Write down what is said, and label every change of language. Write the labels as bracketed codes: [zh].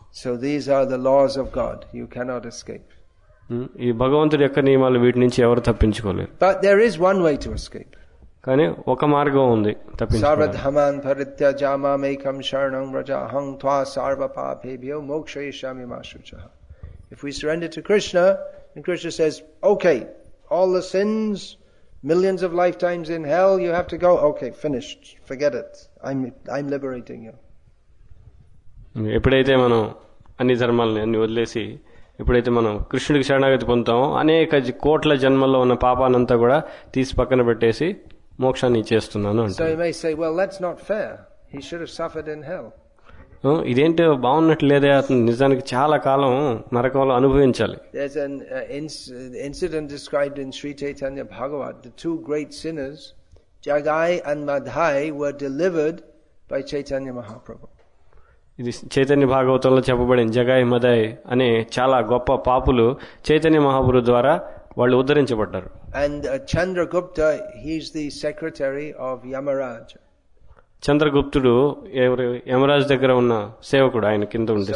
[en] So these are the laws of God, you cannot escape. [te] ఈ భగవంతుడి యొక్క నియమాలు, వీటి నుంచి ఎవరు తప్పించుకోలేరు. [en] But there is one way to escape. [te] కానీ ఒక మార్గం ఉంది తప్పించుకోవడానికి. [sa] సర్వధమాన్ పరిత్యజామామేకం శరణం వ్రజ అహం త్వా సర్వ పాపేభ్యో మోక్షయిష్యామి మా శుచః. [en] If we surrender to Krishna, and Krishna says, okay, all the sins, millions of lifetimes in hell, you have to go, okay, finished, forget it, I'm liberating you. [te] ఎప్పుడైతే మనం అన్ని ధర్మాలను అన్ని వదిలేసి ఎప్పుడైతే మనం కృష్ణుడికి శరణాగతి పొందుతామో అనేక కోట్ల జన్మల్లో ఉన్న పాపానంతా కూడా తీసి పక్కన పెట్టేసి మోక్షాన్ని ఇచ్చేస్తున్నాను అంటే. [en] So you may say, well, that's not fair. He should have suffered in hell. [te] ఇదేంటి బాగున్నట్లేదే అతను నిజానికి చాలా కాలం నరకంలో అనుభవించాలి. [en] There's an incident described in Sri Chaitanya Bhagavat. The two great sinners, Jagai and Madhai, were delivered by Chaitanya Mahaprabhu. [te] ఇది చైతన్య భాగవతంలో చెప్పబడింది. జగాయ్ మదాయ్ అనే చాలా గొప్ప పాపులు చైతన్య మహాప్రభు ద్వారా వాళ్ళు ఉద్ధరించబడ్డారు. [en] And Chandragupta, he's the secretary of Yamaraj. [te] చంద్రగుప్తుడు Yamraj దగ్గర ఉన్న సేవకుడు, ఆయన కింద ఉండే